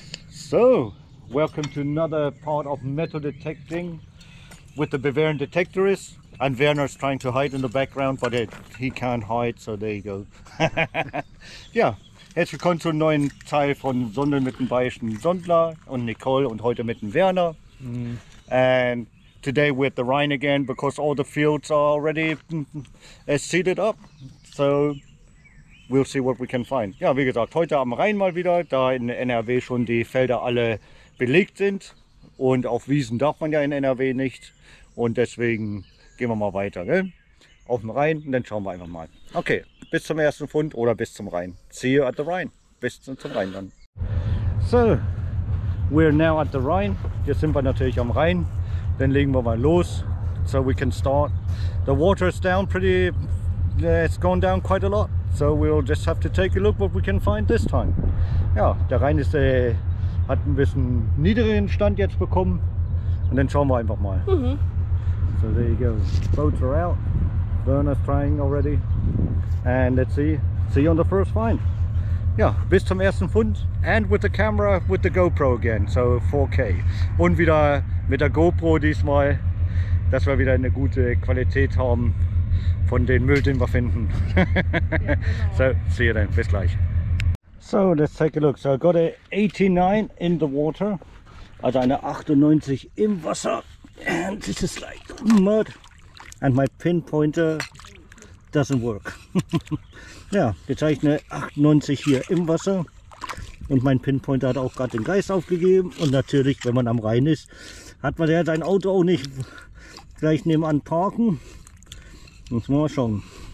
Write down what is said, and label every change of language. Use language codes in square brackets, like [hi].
[en] So, welcome to another part of metal detecting with the Bavarian Detectorist. And Werner's trying to hide in the background, but he can't hide, so there you go. [de] Ja, herzlich willkommen zum neuen Teil von Sondeln mit dem Bayerischen Sondler und Nicole und heute mit dem Werner. Mm. [en] And today we're at the Rhine again, because all the fields are already seeded up. So we'll see what we can find. [de] Ja, wie gesagt, heute am Rhein mal wieder, da in NRW schon die Felder alle belegt sind. Und auf Wiesen darf man ja in NRW nicht. Und deswegen gehen wir mal weiter, gell? Auf den Rhein und dann schauen wir einfach mal. Okay, bis zum ersten Fund oder bis zum Rhein. [en] See you at the Rhine. [de] Bis zum Rhein dann. [en] So, we're now at the Rhine. [de] Jetzt sind wir natürlich am Rhein. Dann legen wir mal los, [en] so we can start. The water is down pretty, it's gone down quite a lot. So we'll just have to take a look what we can find this time. [de] Ja, der Rhein ist, hat ein bisschen niedrigeren Stand jetzt bekommen. Und dann schauen wir einfach mal. [en] Mhm. So there you go. Boats are out. Werner's trying already. And let's see. See you on the first find. [de] Yeah, bis zum ersten Fund. [en] And with the camera, with the GoPro again. So 4K. [de] Und wieder mit der GoPro diesmal, dass wir wieder eine gute Qualität haben von den Müll, den wir finden. [en] So, see you then. [de] Bis gleich. [en] So, let's take a look. So I got a 89 in the water. [de] Also eine 98 im Wasser. [en] And this is like mud, and my pinpointer doesn't work. [de] Ja, jetzt habe ich eine 98 hier im Wasser und mein Pinpointer hat auch gerade den Geist aufgegeben. Und natürlich, wenn man am Rhein ist, hat man ja sein Auto auch nicht gleich nebenan parken. Muss man mal schauen.